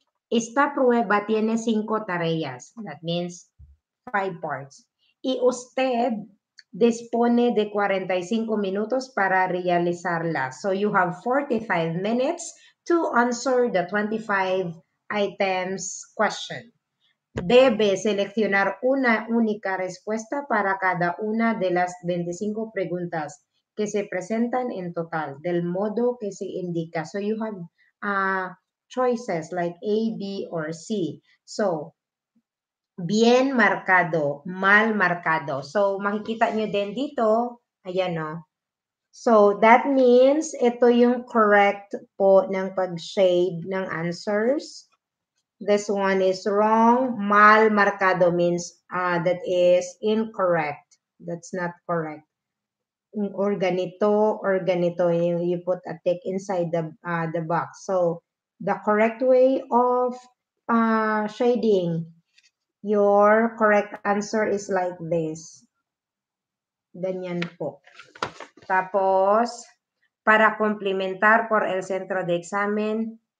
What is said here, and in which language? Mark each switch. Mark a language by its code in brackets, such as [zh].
[es] Esta prueba tiene cinco tareas. [en] That means five parts. [es] Y usted dispone de 45 minutos para realizarla. [en] So you have 45 minutes to answer the 25 items question. [es] Debe seleccionar una única respuesta para cada una de las 25 preguntas que se presentan en total, del modo que se indica. [en] So you have choices like A, B or C. [es] So bien marcado, mal marcado. [tl] So, makikita nyo din dito. Ayan, no? So, that means ito yung correct po ng pag-shade ng answers. [en] This one is wrong. [es] Mal marcado [en] means that is incorrect. That's not correct. Or [tl] ganito, [en] you put a tick inside the box. So, the correct way of shading your correct answer is like this. [tl] Ganyan po. Tapos, [es] para complementar por el centro de examen.